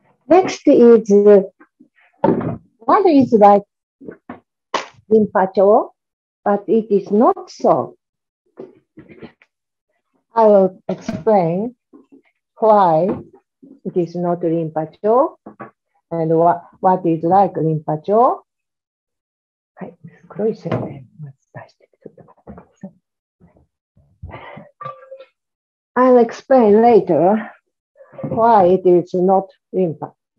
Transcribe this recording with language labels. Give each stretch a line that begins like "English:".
English: Next is one is like Rinpoche, but it is not so. I will explain why it is not Rinpoche and what is like Rinpoche.
Japanese: はい、黒い線で出してちょっと待ってください。
English: I'll explain later why it is not Rinpoche.